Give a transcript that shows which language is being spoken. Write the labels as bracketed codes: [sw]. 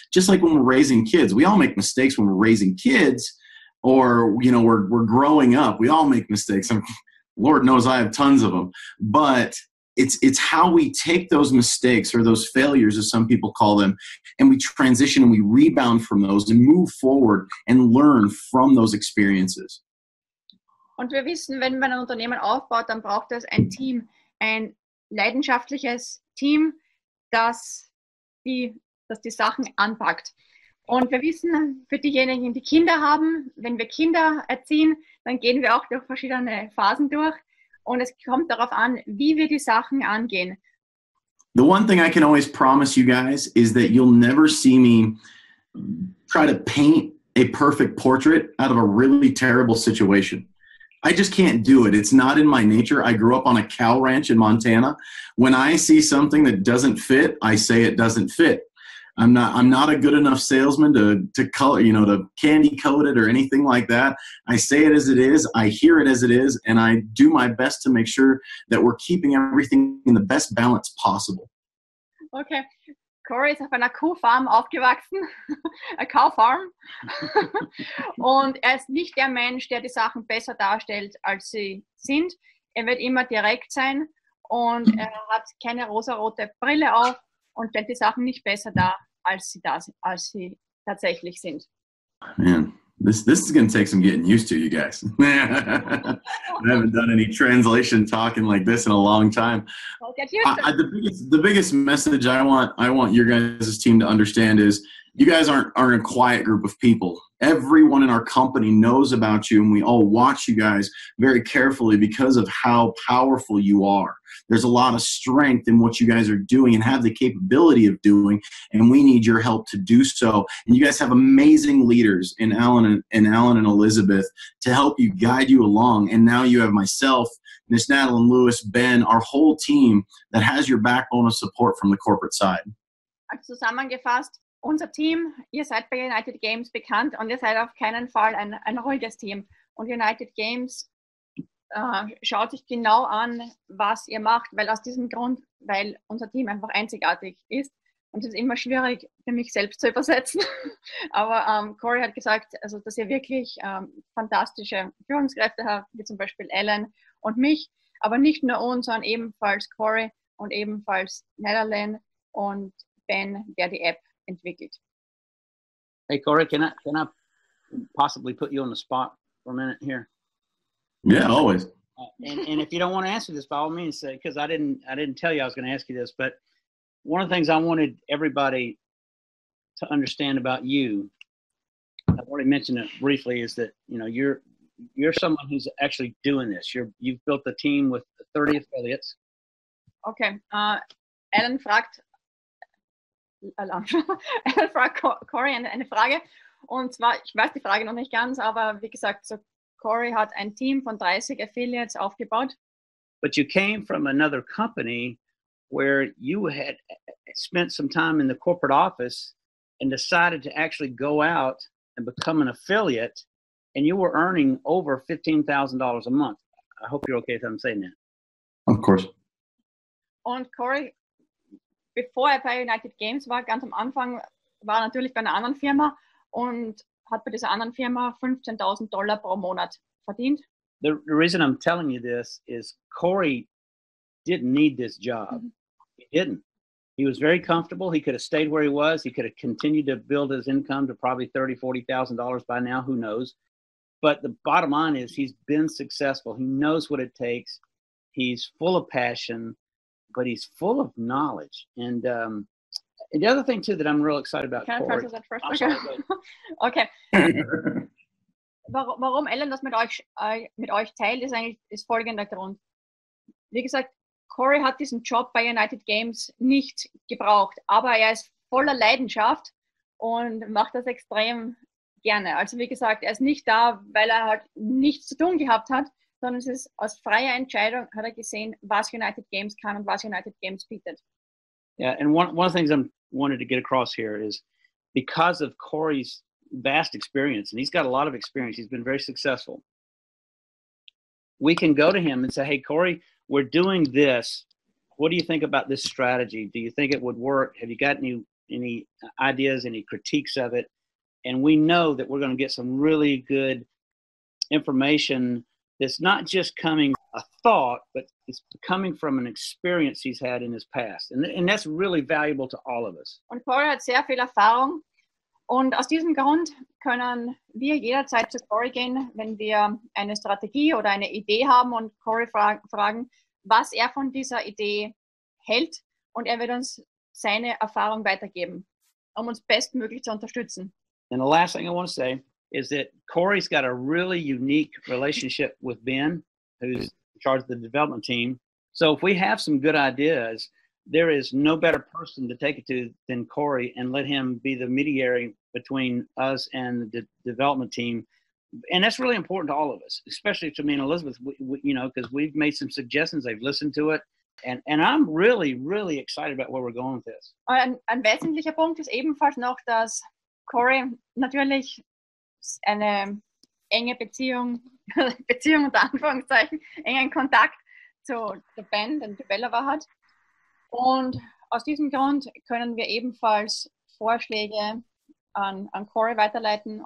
[en] Just like when we're raising kids, we all make mistakes when we're raising kids, or you know, we're growing up. We all make mistakes. I mean, Lord knows I have tons of them. But it's how we take those mistakes or those failures, as some people call them, and we transition and we rebound from those and move forward and learn from those experiences. [de] Und wir wissen, wenn man ein Unternehmen aufbaut, dann braucht es ein Team, ein leidenschaftliches Team, das die Sachen anpackt. Und wir wissen, für diejenigen, die Kinder haben, wenn wir Kinder erziehen, dann gehen wir auch durch verschiedene Phasen durch. Und es kommt darauf an, wie wir die Sachen angehen. [en] The one thing I can always promise you guys is that you'll never see me try to paint a perfect portrait out of a really terrible situation. I just can't do it. It's not in my nature. I grew up on a cow ranch in Montana. When I see something that doesn't fit, I say it doesn't fit. I'm not a good enough salesman to color, you know, to candy coat it or anything like that. I say it as it is, I hear it as it is, and I do my best to make sure that we're keeping everything in the best balance possible. Okay. [de] Corey ist auf einer Kuhfarm aufgewachsen, [en] a cow farm. [de] Und er ist nicht der Mensch, der die Sachen besser darstellt, als sie sind. Er wird immer direkt sein und er hat keine rosarote Brille auf. Und stellt die Sachen nicht besser dar, als sie tatsächlich sind. [en] Man, this is going to take some getting used to, you guys. I haven't done any translation talking like this in a long time. Well, get used to it. The biggest message I want your guys' team to understand is you guys aren't a quiet group of people. Everyone in our company knows about you, and we all watch you guys very carefully because of how powerful you are. There's a lot of strength in what you guys are doing and have the capability of doing, and we need your help to do so. And you guys have amazing leaders in Alan and Elizabeth to help you, guide you along. And now you have myself, Miss Natalie, Lewis, Ben, our whole team that has your backbone of support from the corporate side. [de] Zusammengefasst. Unser Team, ihr seid bei United Games bekannt und ihr seid auf keinen Fall ein ruhiges Team. Und United Games schaut sich genau an, was ihr macht, weil aus diesem Grund, weil unser Team einfach einzigartig ist. Und es ist immer schwierig, für mich selbst zu übersetzen. Aber Corey hat gesagt, also, dass ihr wirklich fantastische Führungskräfte habt, wie zum Beispiel Alan und mich. Aber nicht nur uns, sondern ebenfalls Corey und ebenfalls Netherlands und Ben, der die App entwickelt. [en] Hey Corey, can I possibly put you on the spot for a minute here? Yeah, always. And if you don't want to answer this, by all means, because I didn't tell you I was going to ask you this, but one of the things I wanted everybody to understand about you, I've already mentioned it briefly, is that you know you're someone who's actually doing this. You've built a team with 30 affiliates. [de] Okay. Alan fragt. Er fragt Corey eine Frage. Und zwar, ich weiß die Frage noch nicht ganz, aber wie gesagt, so Corey hat ein Team von 30 Affiliates aufgebaut. [en] But you came from another company where you had spent some time in the corporate office and decided to actually go out and become an affiliate, and you were earning over $15,000 a month. I hope you're okay if I'm saying that. Of course. [de] Und Corey, bevor er bei United Games war, ganz am Anfang, war er natürlich bei einer anderen Firma und hat bei dieser anderen Firma $15,000 pro Monat verdient. [en] The reason I'm telling you this is Corey didn't need this job. He didn't. He was very comfortable. He could have stayed where he was. He could have continued to build his income to probably $30,000-$40,000 by now. Who knows? But the bottom line is he's been successful. He knows what it takes. He's full of passion, but he's full of knowledge. And the other thing, too, that I'm real excited about. Can Corey, I process that first? Okay. Okay. [de] Warum Ellen das mit euch teilt, ist eigentlich ist folgender Grund. Wie gesagt, Corey hat diesen Job bei United Games nicht gebraucht, aber er ist voller Leidenschaft und macht das extrem gerne. Also wie gesagt, er ist nicht da, weil er halt nichts zu tun gehabt hat, sondern es ist aus freier Entscheidung, hat er gesehen, was United Games kann und was United Games bietet. [en] Yeah, and one of the things I wanted to get across here is because of Corey's vast experience, and he's got a lot of experience. He's been very successful. We can go to him and say, hey, Corey, we're doing this. What do you think about this strategy? Do you think it would work? Have you got any ideas, any critiques of it? And we know that we're going to get some really good information that's not just coming a thought, but it's coming from an experience he's had in his past. And that's really valuable to all of us. [de] And Corey hat sehr viel Erfahrung. Und aus diesem Grund können wir jederzeit zu Corey gehen, wenn wir eine Strategie oder eine Idee haben und Corey fragen, was er von dieser Idee hält. Und er wird uns seine Erfahrung weitergeben, um uns bestmöglich zu unterstützen. [en] And the last thing I want to say is that Corey's got a really unique relationship with Ben, who's in charge of the development team. So if we have some good ideas, there is no better person to take it to than Corey and let him be the mediator between us and the development team. And that's really important to all of us, especially to me and Elizabeth, because we've made some suggestions, they've listened to it. And I'm really, really excited about where we're going with this. [de] Ein wesentlicher Punkt ist ebenfalls noch, dass Corey natürlich eine enge Beziehung unter Anführungszeichen, engen Kontakt zu der Band, dem Developer hat. Und aus diesem Grund können wir ebenfalls Vorschläge an Corey weiterleiten.